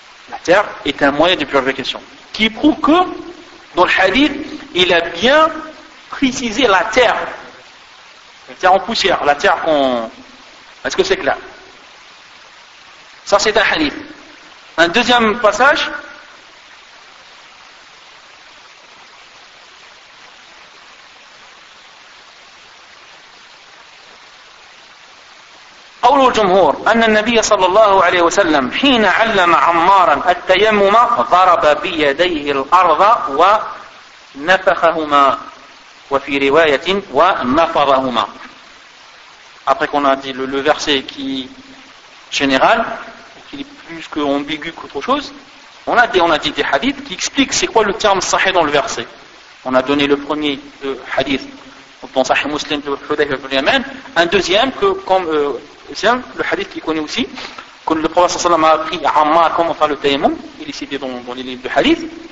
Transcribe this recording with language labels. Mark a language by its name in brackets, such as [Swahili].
[French] La terre est un moyen de purification. Qui prouve que, dans le hadith, il a bien précisé la terre en poussière, la terre qu'on... Est-ce que c'est clair? Ça, c'est un hadith. Un deuxième passage, [Arabic] قول الجمهور أن النبي صلى الله عليه وسلم حين علم عمارا التيمم ضرب بيديه الأرض ونفخهما وفي رواية ونفضهما. [French] Après qu'on a dit le verset qui général, qui est plus ambigu qu'autre chose. On a dit des hadiths qui expliquent c'est quoi le terme sahih dans le verset. On a donné le premier hadith dans Sahih Muslim de Hudayf ibn Yaman, un deuxième que comme deuxième, le hadith qu'il connaît aussi, que le prophète sallam a appris à Ammar comment faire le tayammum, il est cité dans les livres de hadith.